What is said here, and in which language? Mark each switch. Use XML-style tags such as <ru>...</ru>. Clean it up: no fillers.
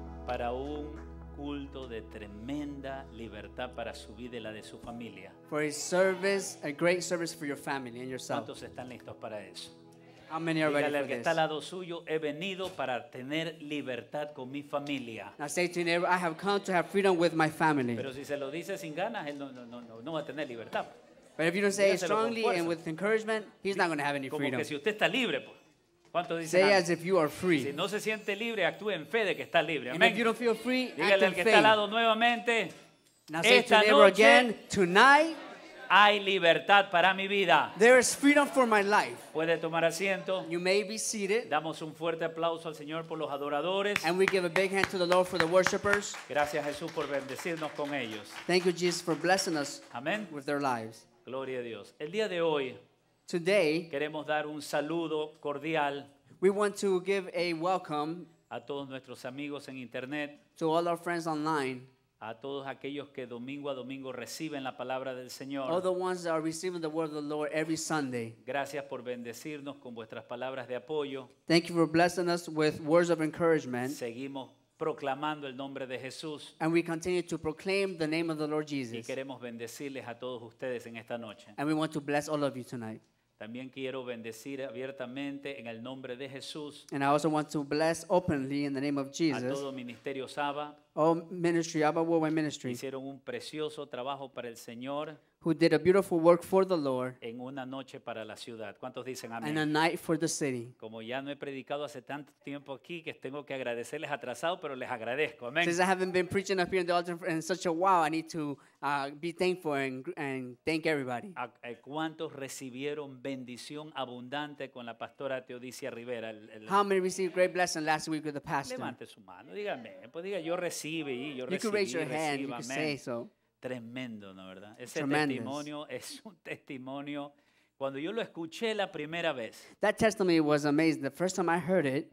<es>Para un culto de tremenda libertad para su vida y la de su familia.</es> <en>For a service, a great service for your family and yourself.</en> <es>¿Cuántos están listos para eso?</es> <en>How many are ready for this?</en> <es>Y al que está al lado suyo, he venido para tener libertad con mi familia.</es> <en>I say to your neighbor, I have come to have freedom with my family.</en> <es>Pero si se lo dice sin ganas, él no va a tener libertad.</es> <en>But if you don't say it strongly and with encouragement, he's not going to have any freedom.</en> <es>Como que si usted está libre, pues. ¿Cuántos dicen?</es> <en>Say as if you are free.</en> <es>Si no se siente libre, actúe en fe de que está libre.</es> <en>Amen. And if you don't feel free, act in faith.</en> <es>Dígale al que está al lado nuevamente.</es> <en>Now say to your neighbor again, tonight,</en> <es>hay libertad para mi vida.</es> <en>There is freedom for my life.</en> <es>Puede tomar asiento.</es> <en>You may be seated.</en> <es>Damos un fuerte aplauso al Señor por los adoradores.</es> <en>And we give a big hand to the Lord for the worshipers.</en> <es>Gracias Jesús por bendecirnos con ellos.</es> <en>Thank you Jesus for blessing us. Amen. With their lives.</en> <es>Gloria a Dios. El día de hoy,</es> <en>today,</en> <es>queremos dar un saludo cordial.</es> <en>We want to give a welcome</en> <es>a todos nuestros amigos en internet.</es> <en>To all our friends online.</en> <es>A todos aquellos que domingo a domingo reciben la palabra del Señor.</es> <en>All the ones that are receiving the word of the Lord every Sunday.</en> <es>Gracias por bendecirnos con vuestras palabras de apoyo.</es> <en>Thank you for blessing us with words of encouragement.</en> <es>Seguimos proclamando el nombre de Jesús.</es> <en>And we continue to proclaim the name of the Lord Jesus.</en> <es>Y queremos bendecirles a todos ustedes en esta noche.</es> <en>And we want to bless all of you tonight.</en> <es>También quiero bendecir abiertamente en el nombre de Jesús.</es> <en>And I also want to bless openly in the name of Jesus.</en> <es>A todo ministerio Saba.</es> <en>All ministry, Abba Worldwide Ministry.</en> <es>Hicieron un precioso trabajo para el Señor.</es> <en>Who did a beautiful work for the Lord.</en> <es>En una noche para la ciudad. ¿Cuántos dicen amén?</es> <en>And a night for the city.</en> <es>Como ya no he predicado hace tanto tiempo aquí que tengo que agradecerles atrasado, pero les agradezco. Amén.</es> <en>Since I haven't been preaching up here in the altar in such a while, I need to be thankful and thank everybody.</en> <es>¿Cuántos recibieron bendición abundante con la pastora Teodicia Rivera?</es> <en>How many received great blessing last week with the pastor?</en> <es>Levante su mano, dígame. Pues diga, yo recibí, yo</es> <en>you</en> <es>recibí.</es> <en>You can raise your hand, you can say so.</en> <es>Tremendo, ¿no verdad? Ese testimonio es un testimonio. Cuando yo lo escuché la primera vez.</es> <en>That testimony was amazing. The first time I heard it.</en>